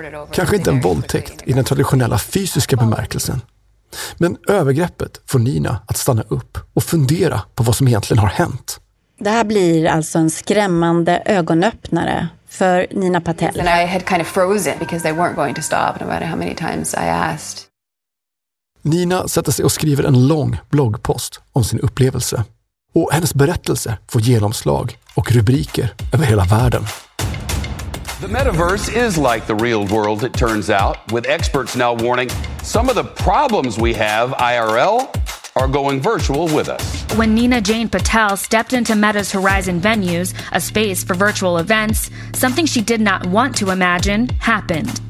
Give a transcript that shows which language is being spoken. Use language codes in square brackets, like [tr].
[sv] Kanske inte en våldtäkt i den traditionella fysiska bemärkelsen. Men övergreppet får Nina att stanna upp och fundera på vad som egentligen har hänt. Det här blir alltså en skrämmande ögonöppnare för Nina Patel. [en] And I had kind of frozen because they weren't going to stop no matter how many times I asked. [sv] Nina sätter sig och skriver en lång bloggpost om sin upplevelse. Och hennes berättelse får genomslag och rubriker över hela världen. [en] The metaverse is like the real world, it turns out, with experts now warning some of the problems we have IRL are going virtual with us. When Nina Jane Patel stepped into Meta's Horizon venues, a space for virtual events, something she did not want to imagine happened.